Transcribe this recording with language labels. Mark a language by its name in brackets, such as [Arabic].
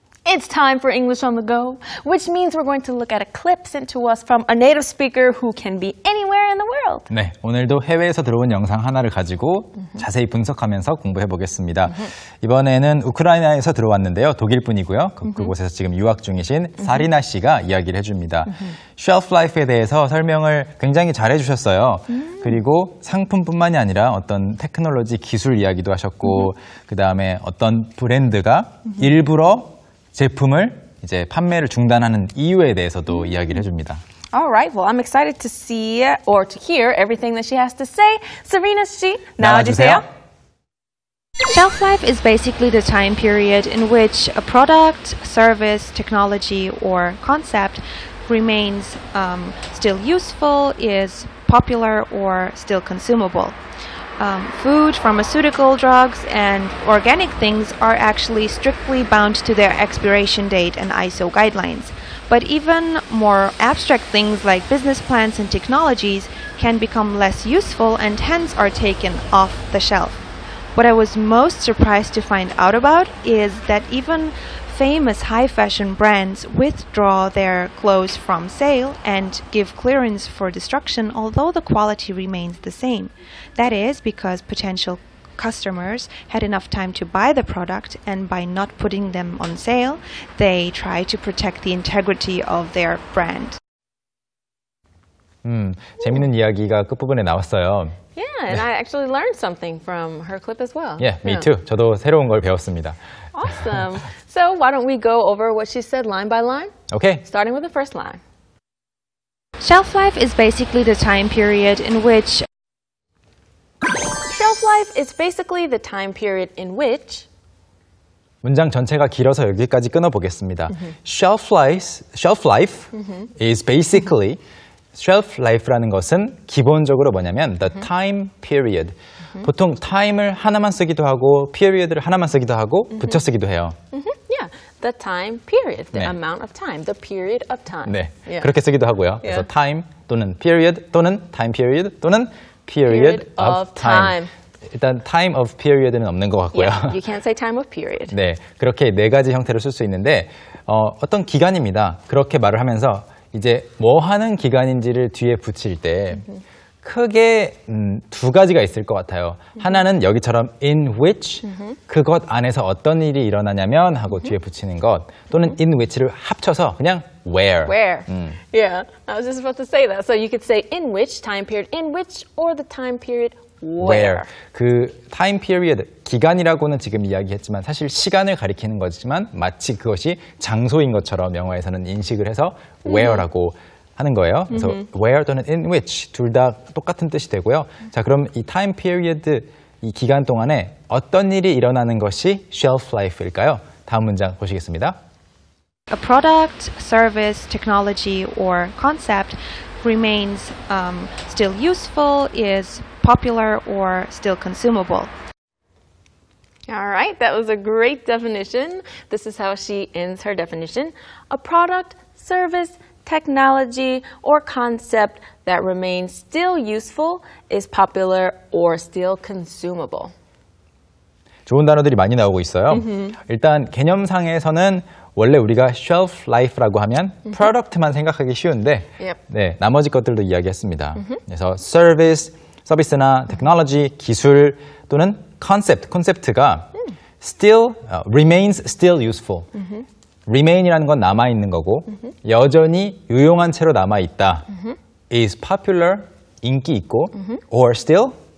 [English] It's time for English on the Go, which means we're going to look at a clip sent to us from a native speaker who can be anywhere in the world. [Korean] 네, 오늘도 해외에서 들어온 영상 하나를 가지고 자세히 분석하면서 공부해보겠습니다. 이번에는 우크라이나에서 들어왔는데요. 독일 분이고요. 그곳에서 지금 유학 중이신 사리나 씨가 이야기를 해줍니다. Shelf life에 대해서 설명을 굉장히 잘해주셨어요. 그리고 상품뿐만이 아니라 어떤 테크놀로지 기술 이야기도 하셨고 그 다음에 어떤 브랜드가 일부러 제품을 이제 판매를 중단하는 이유에 대해서도 이야기를 해줍니다. [English] Alright, well, I'm excited to see or to hear everything that she has to say. [Korean] Serena 씨, 나와주세요. [English] Shelf life is basically the time period in which a product, service, technology, or concept remains still useful, is popular, or still consumable. Food, pharmaceutical drugs, and organic things are actually strictly bound to their expiration date and ISO guidelines. But even more abstract things like business plans and technologies can become less useful and hence are taken off the shelf. What I was most surprised to find out about is that even famous high fashion brands withdraw their clothes from sale and give clearance for destruction, although the quality remains the same. That is because potential customers had enough time to buy the product, and by not putting them on sale, they try to protect the integrity of their brand. [Korean] 재밌는 이야기가 끝부분에 나왔어요. [English] Yeah, and I actually learned something from her clip as well. Yeah, me too. [Korean] 저도 새로운 걸 배웠습니다. [English] Awesome. So why don't we go over what she said line by line? Okay. Starting with the first line. Shelf life is basically the time period in which... Shelf life is basically the time period in which... [Korean] 문장 전체가 길어서 여기까지 끊어보겠습니다. [English] Shelf life is basically... [Korean] Shelf life라는 것은 기본적으로 뭐냐면 [English] the time period. [Korean] 보통 time을 하나만 쓰기도 하고 period를 하나만 쓰기도 하고 붙여 쓰기도 해요. [English] The time period, the amount of time, the period of time. [Korean] 네, 그렇게 쓰기도 하고요. 그래서 time 또는 period 또는 time period 또는 period of time. 일단 time of period는 없는 것 같고요. [English] You can't say time of period. [Korean] 네, 그렇게 네 가지 형태로 쓸 수 있는데 어떤 기간입니다. 그렇게 말을 하면서 이제 뭐 하는 기간인지를 뒤에 붙일 때 크게 두 가지가 있을 것 같아요. 하나는 여기처럼 in which 그것 안에서 어떤 일이 일어나냐면 하고 뒤에 붙이는 것 또는 in which를 합쳐서 그냥 where. [English] Where. Yeah, I was just about to say that. So you could say in which, time period in which, or the time period where. [Korean] 그 time period, 기간이라고는 지금 이야기했지만 사실 시간을 가리키는 거지만 마치 그것이 장소인 것처럼 영어에서는 인식을 해서 where라고 하는 거예요. 그래서 where 또는 in which 둘 다 똑같은 뜻이 되고요. 자, 그럼 이 time period, 이 기간 동안에 어떤 일이 일어나는 것이 shelf life일까요? 다음 문장 보시겠습니다. [English] A product, service, technology, or concept remains still useful, is popular, or still consumable. All right, that was a great definition. This is how she ends her definition. A product, service, technology, or concept that remains still useful, is popular, or still consumable. [Korean] 좋은 단어들이 많이 나오고 있어요. 일단 개념상에서는 원래 우리가 shelf life라고 하면 product만 생각하기 쉬운데 네, 나머지 것들도 이야기했습니다. 그래서 service, 서비스나 technology, 기술 또는 concept, 콘셉트가 [English] still, remains still useful. [Korean] Remain이라는 건 남아있는 거고 여전히 유용한 채로 남아있다. [English] Is popular, [Korean] 인기 있고 [English] or still?